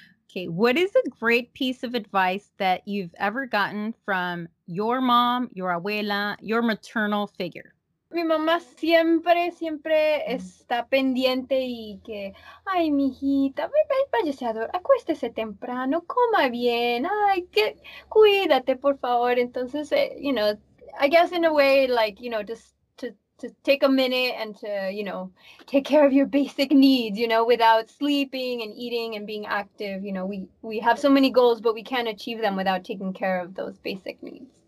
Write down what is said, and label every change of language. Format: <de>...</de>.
<en>Okay, what is a great piece of advice that you've ever gotten from your mom, your abuela, your maternal figure?</en> <es>Mi mamá siempre está pendiente y que, ay, mijita, váyase a dormir, acuéstese temprano, coma bien, ay, que, cuídate, por favor. Entonces,</es> <en>you know, I guess in a way, like, you know, just to take a minute and to, you know, take care of your basic needs, you know, without sleeping and eating and being active. You know, we have so many goals, but we can't achieve them without taking care of those basic needs.</en>